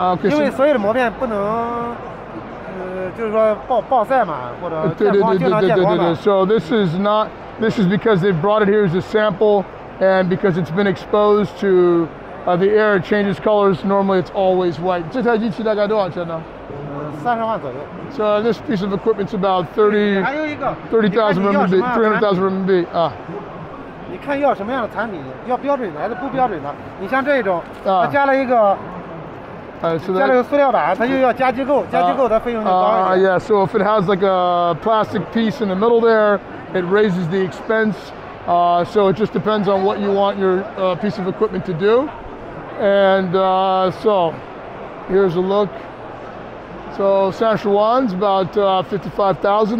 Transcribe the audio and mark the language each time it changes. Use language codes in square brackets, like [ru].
[zh] 然后呢，它变成这个颜色需要多长时间呢？这个是它氧化了。氧化。我们是当样品的嘛，它氧化了。它氧化，正常的是这个颜色。啊啊，可以。因为所有的模片不能。就是说爆晒嘛，或者对对对对对对对对。 [en] So this is because they brought it here as a sample, and because it's been exposed to the air, it changes colors. Normally, it's always white. [zh] 这台机器大概多少钱呢？ 30万左右。 [en] So this piece of equipment's about 30,000 RMB, 300,000 RMB. [zh] 啊。你看要什么样的产品，要标准的还是不标准的？你像这种，它加了一个。 [en] Yeah, so if it has like a plastic piece in the middle there, it raises the expense. So it just depends on what you want your piece of equipment to do. And so here's a look. So Sanshuan's about 55,000.